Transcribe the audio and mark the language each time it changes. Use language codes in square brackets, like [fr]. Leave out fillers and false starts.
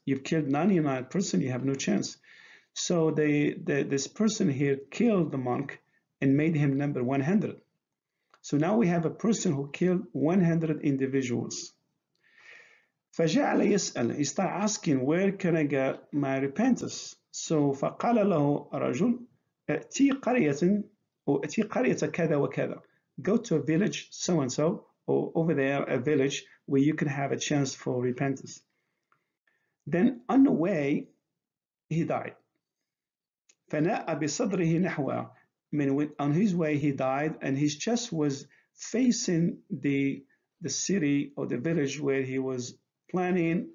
[en] You've killed 99 person, you have no chance. So this person here killed the monk and made him number 100. So now we have a person who killed 100 individuals. [ar] فجعل يسأل, [en] he started asking, where can I get my repentance? [ar] So فقال له رجل, أتي قرية كذا وكذا. [en] Go to a village so-and-so, or over there, a village where you can have a chance for repentance. Then on the way, he died. [ar] فَنَاءَ بِصَدْرِهِ نَحْوَى. [en] On his way, he died, and his chest was facing the city or the village where he was planning.